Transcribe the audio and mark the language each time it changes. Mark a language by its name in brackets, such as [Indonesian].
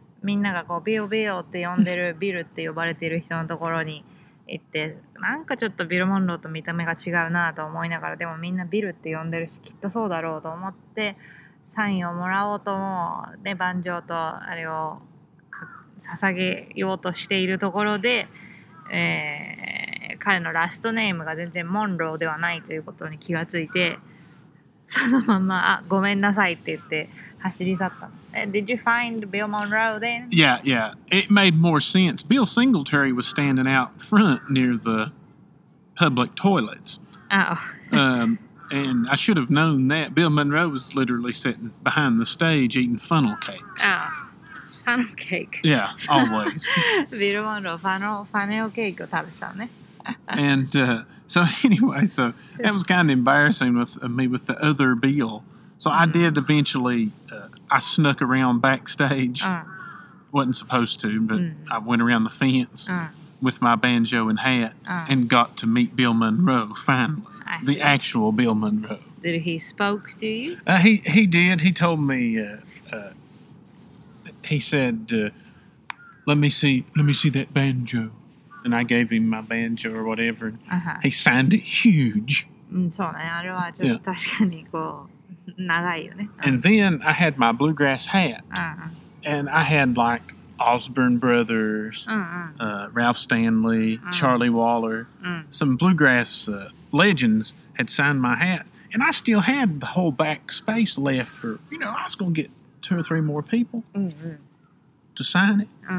[Japanese] みんながこうビオビオって呼んでるビルって呼ばれている人のところに行って、なんかちょっとビル・モンローと見た目が違うなと思いながら、でもみんなビルって呼んでるしきっとそうだろうと思ってサインをもらおうと思う、でバンジョーとあれを捧げようとしているところで、彼のラストネームが全然モンローではないということに気がついて、そのまま、あ、ごめんなさいって言って走り去った。 [English] Did you find Bill Monroe then? Yeah, yeah. It made more sense. Bill Singletary was standing out front near the public toilets. Oh. And I should have known that. Bill Monroe was literally sitting behind the stage eating funnel cakes. Oh. Funnel cake. Yeah, always. [Japanese] Bill Monroe, funnel cake を食べてたね。 [English] And so anyway, so that was kind of embarrassing with me with the other Bill. So I did eventually... I snuck around backstage. Wasn't supposed to, but I went around the fence with my banjo and hat and got to meet Bill Monroe finally. The actual Bill Monroe. Did he spoke to you? He did. He told me, he said, let me see that banjo. And I gave him my banjo or whatever. He signed it huge. [Japanese] そうね、あれはちょっと確かにこう。 [English] And then I had my bluegrass hat, and I had like Osborne Brothers, Ralph Stanley, Charlie Waller, some bluegrass legends had signed my hat, and I still had the whole back space left for, you know, I was going to get two or three more people to sign it.